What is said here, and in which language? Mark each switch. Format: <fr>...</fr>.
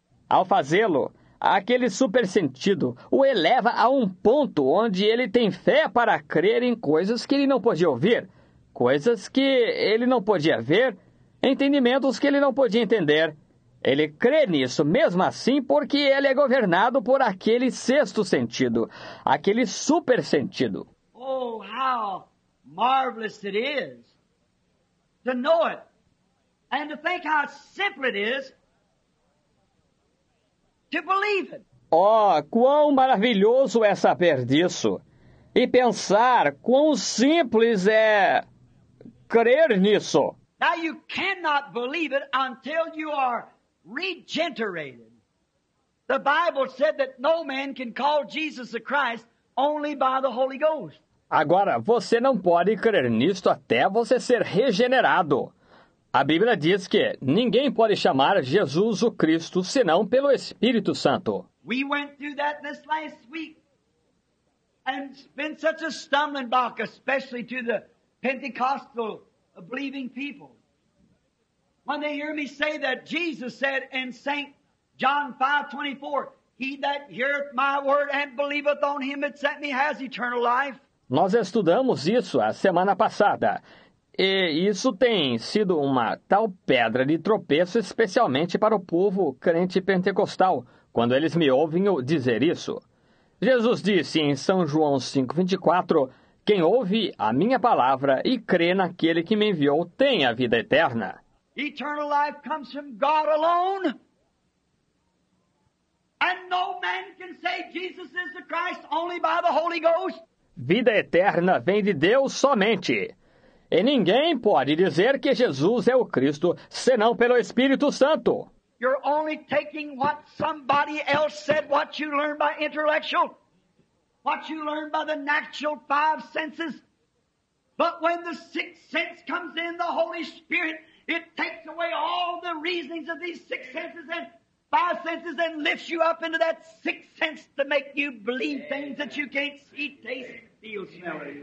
<pt>Ao fazê-lo, aquele super sentido o eleva a um ponto onde ele tem fé para crer em coisas que ele não podia ouvir, coisas que ele não podia ver, entendimentos que ele não podia entender. Ele crê nisso mesmo assim porque ele é governado por aquele sexto sentido, aquele super sentido.</pt> <en>Oh, how marvelous it is to know it. And to think how simple it is to believe it.</en> <pt>Oh, quão maravilhoso é saber disso. E pensar quão simples é crer nisso.</pt> <en>Now you cannot believe it until you are regenerated. The Bible said that no man can call Jesus the Christ only by the Holy Ghost.</en> <pt>Agora, você não pode crer nisto até você ser regenerado. A Bíblia diz que ninguém pode chamar Jesus o Cristo senão pelo Espírito Santo.</pt> <en>We went through that this last week. And it's been such a stumbling block, especially to the Pentecostal believing people. When they hear me say that Jesus said in St. John 5:24, he that heareth my word and believeth on him that sent me has eternal life.</en> <pt>Nós estudamos isso a semana passada. E isso tem sido uma tal pedra de tropeço, especialmente para o povo crente pentecostal, quando eles me ouvem dizer isso. Jesus disse em São João 5:24, quem ouve a minha palavra e crê naquele que me enviou tem a vida eterna.</pt> <en>Eternal life comes from God alone. And no man can say Jesus is the Christ only by the Holy Ghost.</en> <pt>Vida eterna vem de Deus somente. E ninguém pode dizer que Jesus é o Cristo, senão pelo Espírito Santo.</pt> <en>You're only taking what somebody else said, what you learned by intellectual, what you learned by the natural five senses. But when the sixth sense comes in, the Holy Spirit, it takes away all the reasonings of these six senses and five senses and lifts you up into that sixth sense to make you believe things that you can't see, taste, feel, smell.</en>